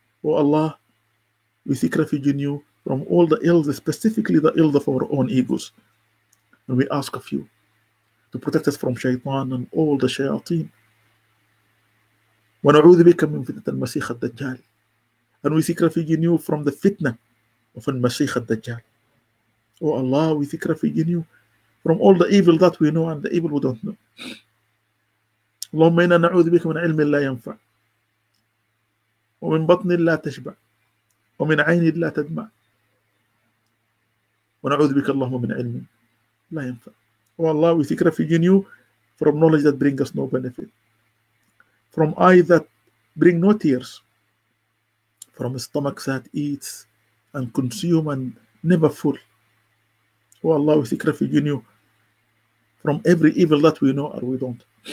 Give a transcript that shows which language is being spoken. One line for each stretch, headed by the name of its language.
English: O Allah, we seek refuge in you from all the ills, specifically the ills of our own egos. And we ask of you to protect us from shaitan and all the shayateen.
Arabic: ونعوذ بك من فتنة المسيح الدجال.
English: And we seek refuge in you from the fitna of المسيح الدجال. O Allah, we seek refuge in you from all the evil that we know and the evil we don't know.
Arabic: اللهم إنا نعوذ بك من علم لا ينفع ومن بطن لا تشبع ومن عيني لا تدمع، ونعوذ بك اللهم من علم لا ينفع. والله
English: we secret in you from knowledge that brings us no benefit, from eye that bring no tears, from stomach that eats and consume and never full.
Arabic: والله
English: we secret in you from every evil that we know or we don't.